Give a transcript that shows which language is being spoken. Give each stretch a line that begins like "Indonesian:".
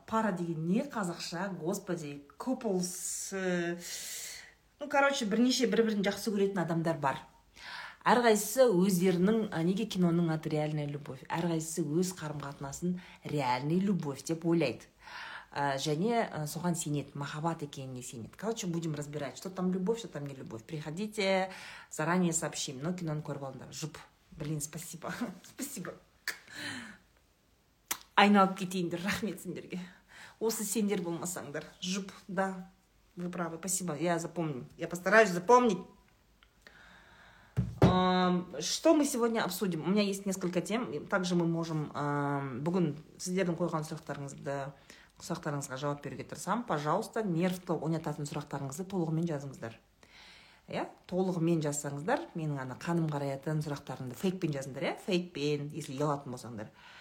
Kazakh: Пара деген не қазақша, господи, couples.
Russian: Ну, короче,
Kazakh: бірнеше бір-бірін жақсы көретін адамдар бар. Әрқайсысы өздерінің, неге киноның аты «Реальная любовь», әрқайсысы өз қарым-қатынасын «Реальный любовь» деп ойлайды. Және соған сенет, махаббат екеніне сенет.
Russian: Короче, будем разбирать, что там любовь, что там не любовь. Приходите, заранее сообщим.
Kazakh: Но киноны көріп алыңдар. Жұп.
Russian: Блин, спасибо. Спасибо.
Kazakh: Айналып кетейіндер, рахмет сендерге. Осы сендер болмасаңдар. Жұп, да.
Russian: Вы правы, спасибо, я запомню. Я постараюсь запомнить. Что мы сегодня обсудим? У меня есть несколько тем. Также мы можем...
Kazakh: Бүгін сіздердің қойған сұрақтарыңызды... сұрақтарыңызға жауап беруге тұрсам, пожалуйста, нервті ойнататын сұрақтарыңызды толығымен жазыңыздар. Иә, толығымен жазсаңыздар, менің ана қаным қараятын сұрақтарыңды фейкпен жазыңдар, иә, фейкпен, если ұялатын болсаңдар.